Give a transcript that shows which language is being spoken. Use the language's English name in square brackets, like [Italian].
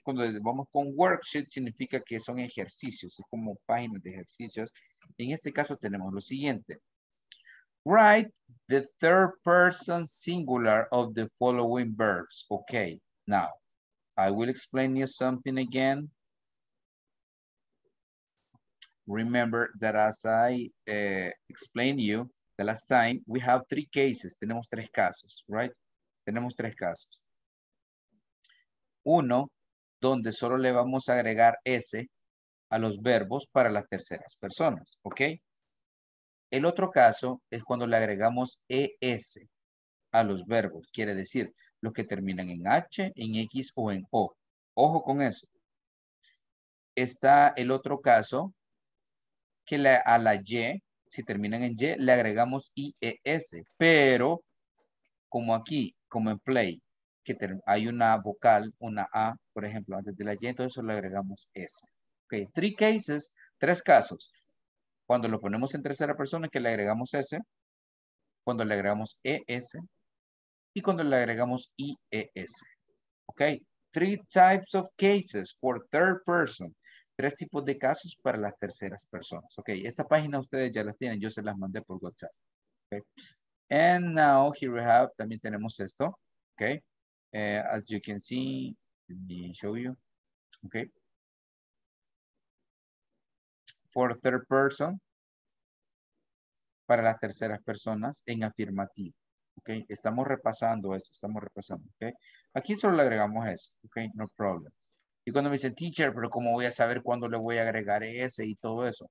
[Spanish] Cuando vamos con worksheet, significa que son ejercicios, es como páginas de ejercicios. En este caso tenemos lo siguiente. [English] Write the third person singular of the following verbs. Okay, now. I will explain you something again. remember that as I explained you the last time, we have three cases. [Spanish] Tenemos tres casos, [English] right? [Spanish] Tenemos tres casos. Uno, donde solo le vamos a agregar S a los verbos para las terceras personas, ¿ok? El otro caso es cuando le agregamos ES a los verbos, quiere decir los que terminan en H, en X o en O. Ojo con eso. Está el otro caso que a la Y, si terminan en Y, le agregamos IES, pero como aquí, como en play, que hay una vocal, una A, por ejemplo, antes de la Y, entonces solo le agregamos S. Ok, [English] three cases, [Spanish] tres casos. Cuando lo ponemos en tercera persona, que le agregamos S, cuando le agregamos ES, y cuando le agregamos IES. [English] Ok, three types of cases for third person. [Spanish] Tres tipos de casos para las terceras personas. Ok, esta página ustedes ya las tienen, yo se las mandé por WhatsApp. [English] Okay. And now here we have, [Spanish] también tenemos esto. [English] Ok. As you can see, let me show you. Okay. For third person, [Spanish] para las terceras personas, en afirmativo. Okay. Estamos repasando eso, estamos repasando. Okay. Aquí solo le agregamos eso. Okay. [English] No problem. [Spanish] Y cuando me dicen, teacher, pero ¿cómo voy a saber cuándo le voy a agregar ese y todo eso?